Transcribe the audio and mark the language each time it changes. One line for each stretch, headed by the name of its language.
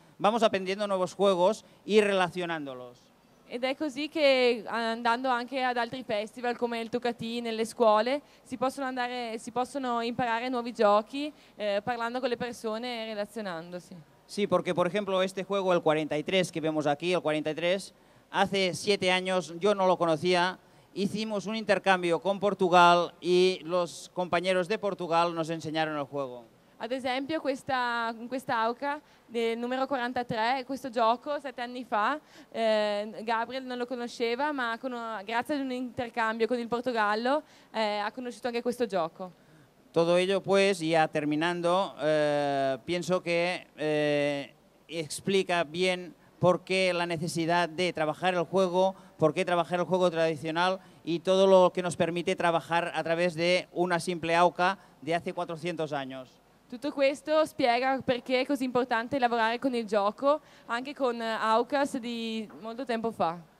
Spanish: Vamos aprendiendo nuevos juegos y relacionándolos.
Italian: Ed è così che andando anche ad altri festival come il Tocati nelle scuole si possono imparare nuovi giochi parlando con le persone e relazionandosi.
Spanish: Sí, porque por ejemplo este juego el 43 que vemos aquí, el 43, hace 7 años yo no lo conocía. Hicimos un intercambio con Portugal y los compañeros de Portugal nos enseñaron el juego.
Italian: Ad esempio questa AUKA del numero 43, questo gioco 7 anni fa, Gabriel non lo conosceva, ma grazie ad un intercambio con il Portogallo ha conosciuto anche questo gioco.
Spanish: Todo ello pues, ya terminando, pienso que explica bien por qué la necesidad de trabajar el juego, por qué trabajar el juego tradicional y todo lo que nos permite trabajar a través de una simple AUKA de hace 400 años.
Italian: Tutto questo spiega perché è così importante lavorare con il gioco, anche con AUKAS di molto tempo fa.